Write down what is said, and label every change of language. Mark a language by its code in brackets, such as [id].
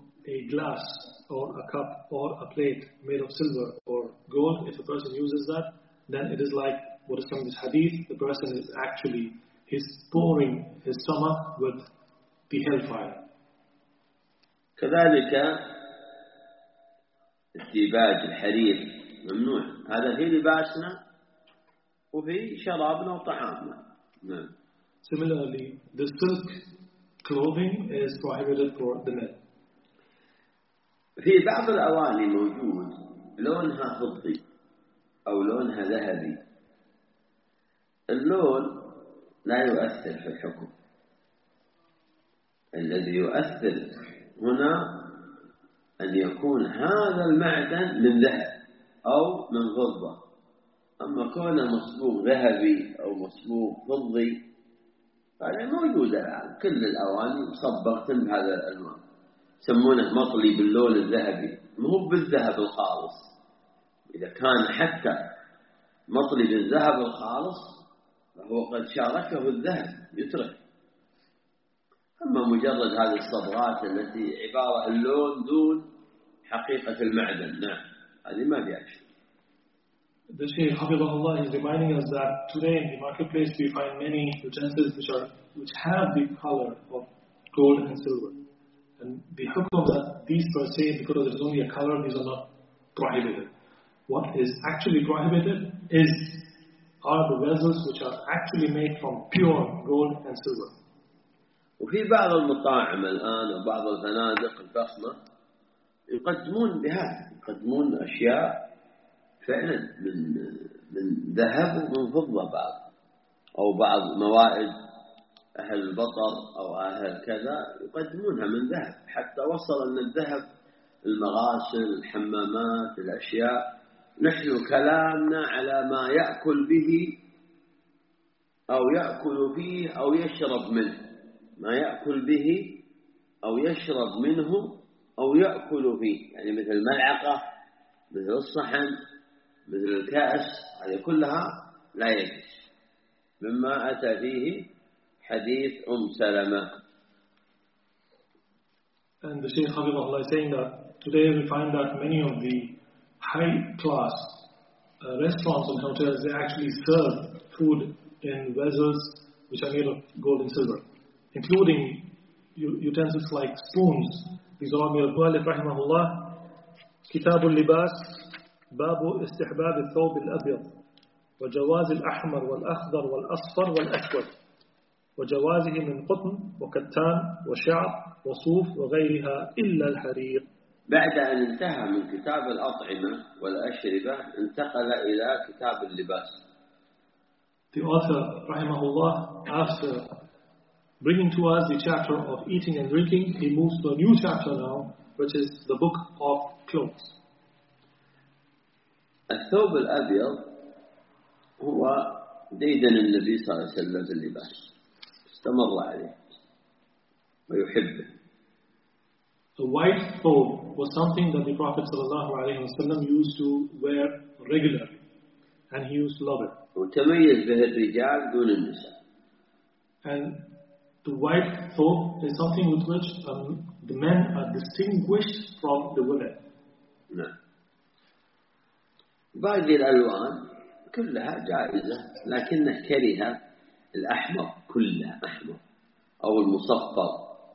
[en] a glass or a cup or a plate made of silver or gold, if a person uses that, then it is like what is coming in this hadith, the person is actually, he's pouring his stomach with the hellfire. [ar] كذلك الثيباج الحرير ممنوع هذا في لباسنا وفي شرابنا وطعامنا. [en] Similarly, the silk clothing is prohibited for the men. [ar] في بعض الأواني موجود لونها فضي أو لونها ذهبي. اللون لا يؤثر في الحكم. الذي يؤثر هنا أن يكون هذا المعدن من ذهب أو من فضة. أما كون مصبوغ ذهبي أو مصبوغ فضي هذا موجود الآن. كل الأواني مصبغت بهذا الألوان. يسمونه مطلي باللون الذهبي، مو بالذهب الخالص. إذا كان حتى مطلي بالذهب الخالص فهو قد شاركه الذهب يترك. أما مجرد هذه الصبغات التي عبارة عن لون دون حقيقة المعدن، نعم، هذه ما فيها شيء. [en] The Shaykh [ar] حفظه الله [en] is reminding us that today in the marketplace we find many utensils which have the color of gold and silver. And the hukum that these per se, because it is only a color, these are not prohibited. What is actually prohibited are the vessels which are actually made from pure gold and silver. [ar] وفي بعض المطاعم الآن وبعض الفنادق الفخمة يقدمون بهذا، يقدمون أشياء فعلا من ذهب ومن فضة بعض، أو بعض موائد أهل البطر أو أهل كذا يقدمونها من ذهب، حتى وصل أن الذهب المغاسل الحمامات الأشياء نحن كلامنا على ما يأكل به أو يأكل به أو يشرب منه، ما يأكل به أو يشرب منه أو يأكل فيه، يعني مثل الملعقة مثل الصحن مثل الكأس، هذه كلها لا يجوز، مما أتى فيه حديث أم سلمة. [en] And the Shaykh Habibullah is saying that today we find that many of the high class restaurants and hotels, they actually serve food in vessels which are made of gold and silver, including utensils like spoons. These are all made of rahimahullah. [ar] Kitab al-libas, babu istihbab al-thawb al-abyad, wa jawaz al-ahmar wal-akhdar wal-asfar wal-aswad, wa jawazihi min qutn wa kattan wa sha'r wa suf wa ghayriha illa al-harir. بعد أن انتهى من كتاب الأطعمة والأشربة انتقل إلى كتاب اللباس. [en] The author [ar] رحمه الله [en] after bringing to us the chapter of eating and drinking, he moves to a new chapter now, which is the book of clothes. [ar] الثوب الأبيض هو ديدن النبي صلى الله عليه وسلم في اللباس، استمر عليه ويحبه. [en] The white robe was something that the Prophet [ar] sallallahu alaihi wasallam [en] used to wear regularly, and he used to love it. [ar] وتميز به الرجال دون النساء. [en] And the white robe is something with which the men are distinguished from the women. [ar] نعم. باقي الألوان كلها جائزة، لكنه كره الأحمر كلها أحمر أو المصفر.